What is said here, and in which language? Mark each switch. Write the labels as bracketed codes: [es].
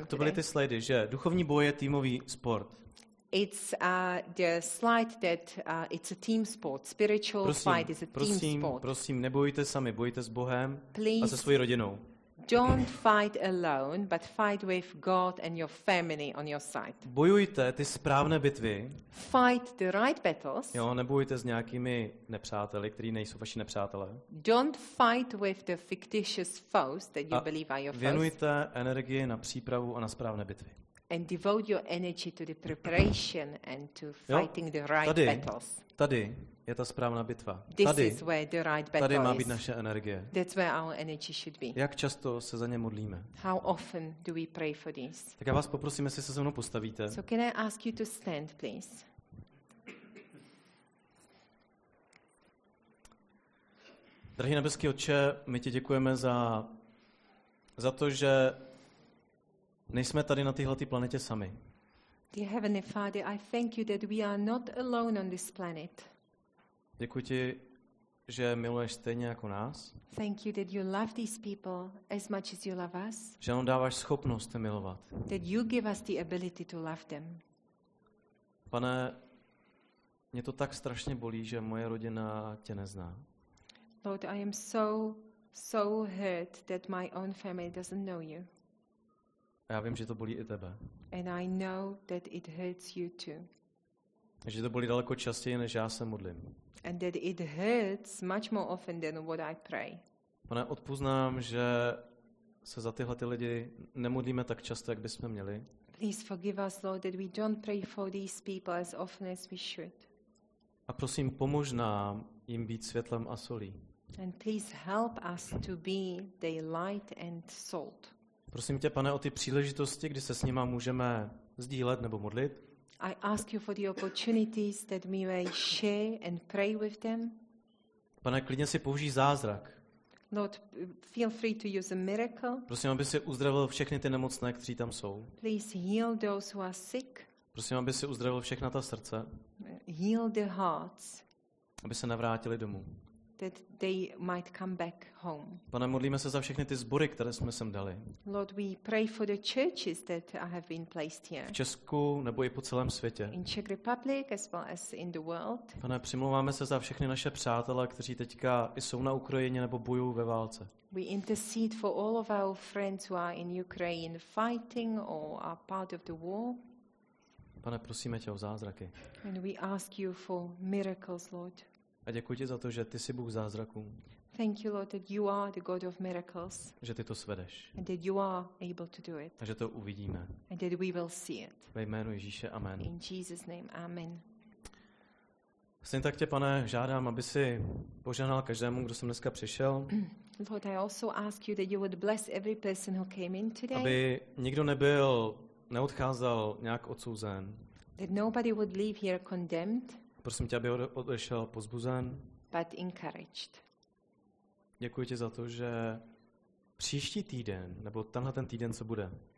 [cs] tak to byly ty slidy, že duchovní boj je týmový sport. [en] It's the slide that it's a team sport. Spiritual [cs] prosím, [en] fight is a team [cs] prosím, [en] sport. [cs] Prosím, nebojte sami, bojte s Bohem [en] please [cs] a se svojí rodinou. [en] Don't fight alone, but fight with God and your family on your side. [cs] Bojujte ty správné bitvy. [en] Fight the right battles. [cs] Jo, nebojte s nějakými nepřáteli, kteří nejsou vaši nepřátelé. [en] Don't fight with the fictitious foes that you believe are your foes. [cs] Věnujte energii na přípravu a na správné bitvy. [en] And devote your energy to the preparation and to fighting [cs] jo, [en] the right [cs] tady, [en] battles. [cs] Tady je ta správná bitva. [en] This [cs] tady, [en] is where the right battle [cs] tady má [en] is. [cs] Být naše energie. [en] That's where our energy should be. [cs] Jak často se za ně modlíme? [en] How often do we pray for this? [cs] Tak já vás poprosím, jestli se se mnou postavíte. [en] So can I ask you to stand, please? [cs] Drahý nebeský Otče, my ti děkujeme za to, že nejsme tady na téhle planetě sami. [en] Dear Heavenly Father, I thank you that we are not alone on this planet. [cs] Děkuji ti, že miluješ stejně jako nás. [en] Thank you that you love these people as much as you love us. [cs] Že nám dáváš schopnost je milovat. [en] That you give us the ability to love them. [cs] Pane, mě to tak strašně bolí, že moje rodina tě nezná. [en] Lord, I am so hurt that my own family doesn't know you. [cs] A já vím, že to bolí i tebe. [en] And I know that it hurts you too. [cs] Že to bolí daleko častěji, než já se modlím. [en] And that it hurts much more often than what I pray. [cs] Pane, odpuznám, že se za tyhle ty lidi nemodlíme tak často, jak bychom měli. [en] Please forgive us, Lord, that we don't pray for these people as often as we should. [cs] A prosím, pomož nám jim být světlem a solí. [en] And please help us to be the light and salt. [cs] Prosím tě, Pane, o ty příležitosti, kdy se s nima můžeme sdílet nebo modlit. [en] I ask you for the opportunities that we may share and pray with them. [cs] Pane, klidně si použij zázrak. [en] Lord, feel free to use a miracle. [cs] Prosím, aby si uzdravil všechny ty nemocné, kteří tam jsou. [en] Please heal those who are sick. [cs] Prosím, aby si uzdravil všechna ta srdce. [en] Heal the hearts. [cs] Aby se navrátili domů. [en] That they might come back home. [cs] Pane, modlíme se za všechny ty sbory, které jsme sem dali. [en] Lord, we pray for the churches that I have been placed here. [cs] V Česku nebo i po celém světě. [en] In Czech Republic as well as in the world. [cs] Pane, přimlouváme se za všechny naše přátele, kteří teďka jsou na Ukrajině nebo bojují ve válce. [en] We intercede for all of our friends who are in Ukraine fighting or are part of the war. [cs] Pane, prosíme tě o zázraky. [en] And we ask you for miracles, Lord. [cs] A děkuji ti za to, že ty jsi Bůh zázraků. [en] Thank you, Lord, that you are the God of miracles. [cs] Že ty to svedeš. [en] And that you are able to do it. [cs] A že to uvidíme. [en] And that we will see it. [cs] Ve jménu Ježíše, amen. [en] In Jesus' name, amen. [cs] Stejně tak tě, Pane, žádám, aby si požehnal každému, kdo sem dneska přišel. [en] Lord, I also ask you that you would bless every person who came in today. [cs] Aby nikdo nebyl, neodcházel nějak odsouzen. [en] That nobody would leave here condemned. [cs] Prosím tě, aby odešel pozbuzen. [en] But encouraged. [cs] Děkuji ti za to, že příští týden, nebo tenhle ten týden, co bude.